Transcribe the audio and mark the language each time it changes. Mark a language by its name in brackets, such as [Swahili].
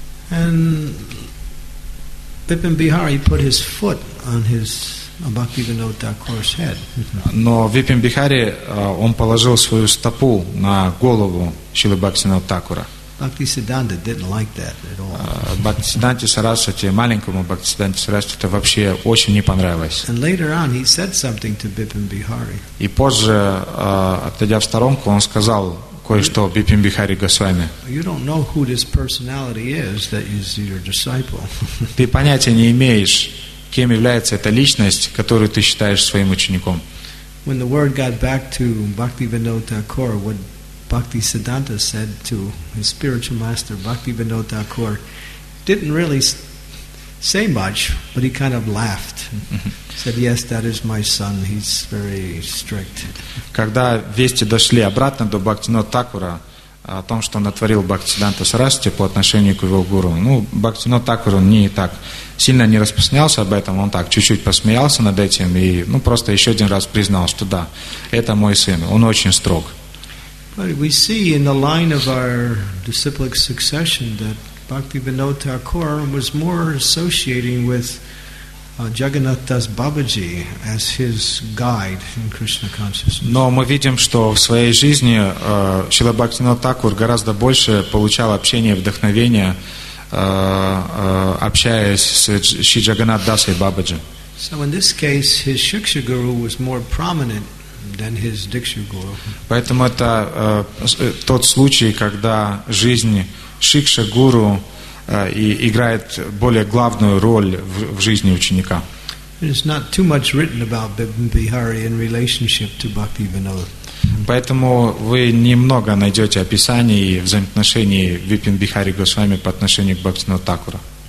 [English] And Bipin Bihari put his foot on his Bhaktivinoda Thakur's head. [Russian] Но Бипин Бихари он положил свою стопу на голову Шрилы Бхактивинода Тхакура. [English] Bhaktisiddhanta didn't like that at all. [Russian] Бхактисиддханте Сарасвати, маленькому Бхактисиддханте Сарасвати, это вообще очень не понравилось. [English] And later on, he said something to Bipin Bihari. [Russian] И позже, отойдя в сторонку, он сказал кое-что Бипин Бихари Госвами. [English] You don't know who this personality is that is your disciple. [Russian] Ты понятия не имеешь, кем является эта личность, которую ты считаешь своим учеником. [English] When the word got back to Bhaktivinoda Thakur, what Bhaktisiddhanta said to his spiritual master Bhaktivinoda Thakur didn't really say much, but he kind of laughed. Said, "Yes, that is my son. He's very strict." [Russian] Когда вести дошли обратно до Бхактивинода Тхакура, о том, что натворил Бхактисиддханта Сарасвати по отношению к его гуру. Ну, Бхактисиддханта Тхакур, он не так сильно не распространялся об этом, он так чуть-чуть посмеялся над этим и, ну, просто еще один раз признал, что да, это мой сын, он очень строг. [English] But we see in the line of our disciplic succession that Bhaktivinoda Thakur was more associating with Jagannath Das Babaji as his guide in Krishna consciousness. [Russian] Но мы видим, что в своей жизни Шрила Бхактивинода Тхакур гораздо больше получал общение и вдохновение, общаясь с Шри Джаганнат Дас и Бабаджи. [English] So in this case, his Shiksha Guru was more prominent than his Diksha Guru. [Russian] Поэтому это тот случай, когда жизнь Шикша Гуру и играет более главную роль в жизни ученика. [English] There's not too much written about Bibhihari in relationship to Bhaktivinoda. [Russian] Поэтому вы немного найдете описаний и взаимоотношений Випин Бихари Госвами по отношению к Бхактивинода Тхакура.